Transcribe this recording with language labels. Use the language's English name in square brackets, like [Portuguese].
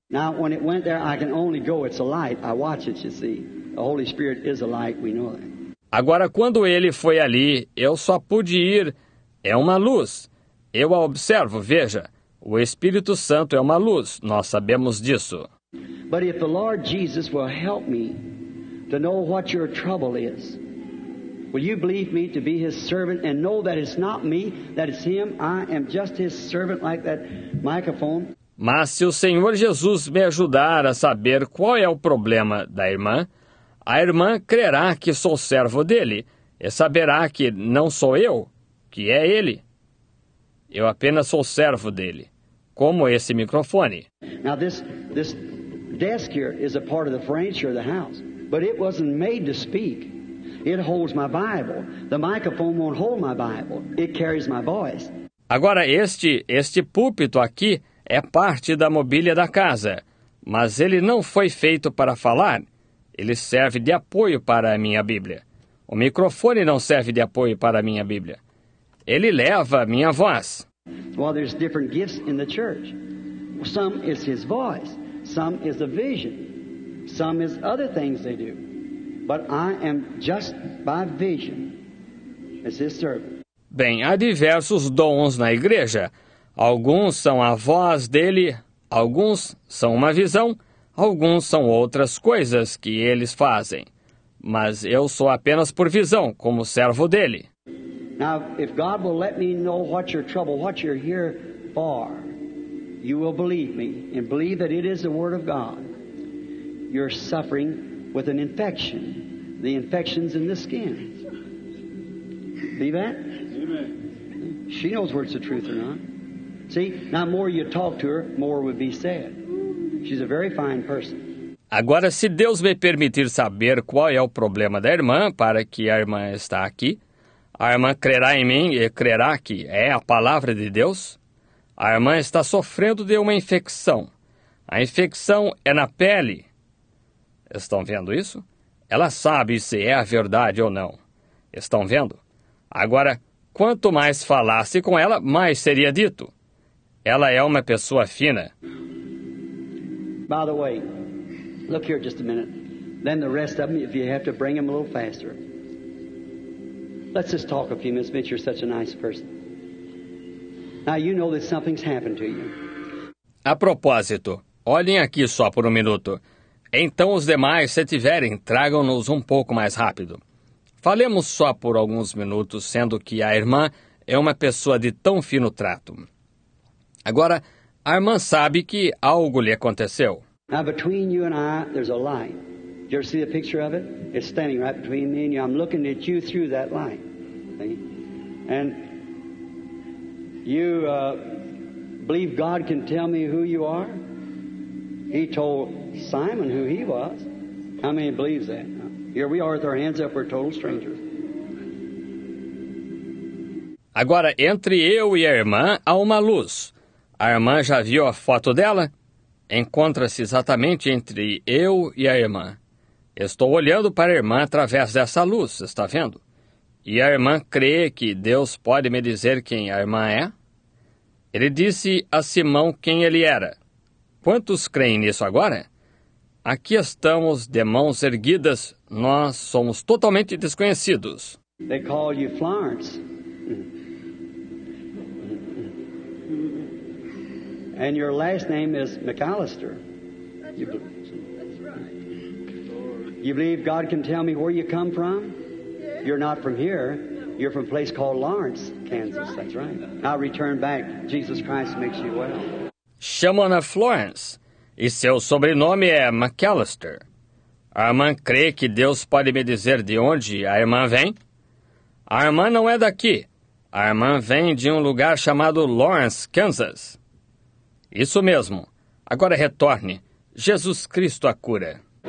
[English] Now, when it went there, I can only go. It's a light. I watch it, you see. The Holy Spirit is a light, we know that. [Portuguese] Agora, quando ele foi ali, eu só pude ir. É uma luz. Eu a observo, veja. O Espírito Santo é uma luz. Nós sabemos disso. [English] But if the Lord Jesus will help me to know what your trouble is, will you believe me to be his servant and know that it's not me, that it's him? I am just his servant like that microphone. [Portuguese] Mas se o Senhor Jesus me ajudar a saber qual é o problema da irmã, a irmã crerá que sou servo dele e saberá que não sou eu, que é ele. Eu apenas sou servo dele, como esse microfone. [English] Now this desk here is a part of the furniture of the house, but it wasn't made to speak. It holds my Bible. The microphone won't hold my Bible. It carries my voice. [Portuguese] Agora este púlpito aqui é parte da mobília da casa, mas ele não foi feito para falar. Ele serve de apoio para a minha Bíblia. O microfone não serve de apoio para a minha Bíblia. Ele leva a minha voz. [English] Well, there's different gifts in the church. Some is his voice. Some is a vision. Some is other things they do. But I am just by vision as his servant. [Portuguese] Bem, há diversos dons na igreja. Alguns são a voz dele, alguns são uma visão, alguns são outras coisas que eles fazem. Mas eu sou apenas por visão, como servo dele. [English] Now, if God will let me know what your trouble, what you're here for, you will believe me and believe that it is the word of God. You're suffering with an infection. The infection's in the skin. Believe that? Amen. She knows where it's the truth or not. See, now more you talk to her, more would be said. She's a very fine person. [Portuguese] Agora, se Deus me permitir saber qual é o problema da irmã, para que a irmã está aqui, a irmã crerá em mim e crerá que é a palavra de Deus? A irmã está sofrendo de uma infecção. A infecção é na pele. Estão vendo isso? Ela sabe se é a verdade ou não. Estão vendo? Agora, quanto mais falasse com ela, mais seria dito. Ela é uma pessoa fina. [English] By the way, look here just a minute. Then the rest of them, if you have to bring them a little faster. Let's just talk a few minutes, Mitch. You're such a nice person. Now you know that something's happened to you. [Portuguese] A propósito, olhem aqui só por um minuto. Então os demais, se tiverem, tragam-nos um pouco mais rápido. Falemos só por alguns minutos, sendo que a irmã é uma pessoa de tão fino trato. Agora, a irmã sabe que algo lhe aconteceu. [English] Now, between you and I, there's a light. Did you ever see the picture of it? It's standing right between me and you. I'm looking at you through that light. See? And you believe God can tell me who you are? He told Simon who he was. How many believes that? Here we are with our hands up. We're total strangers. [Portuguese] Agora, entre eu e a irmã, há uma luz. A irmã já viu a foto dela? Encontra-se exatamente entre eu e a irmã. Estou olhando para a irmã através dessa luz, está vendo? E a irmã crê que Deus pode me dizer quem a irmã é? Ele disse a Simão quem ele era. Quantos creem nisso agora? Aqui estamos, de mãos erguidas, nós somos totalmente desconhecidos. [English] They call you Florence. And your last name is McAllister. That's you right. You believe God can tell me where you come from? Yes. You're not from here. No. You're from a place called Lawrence, Kansas. That's right. That's right. I'll return back. Jesus Christ makes you well. [Portuguese] Chamam-na Florence. E seu sobrenome é McAllister. A irmã crê que Deus pode me dizer de onde a irmã vem? A irmã não é daqui. A irmã vem de um lugar chamado Lawrence, Kansas. Isso mesmo. Agora retorne. Jesus Cristo a cura.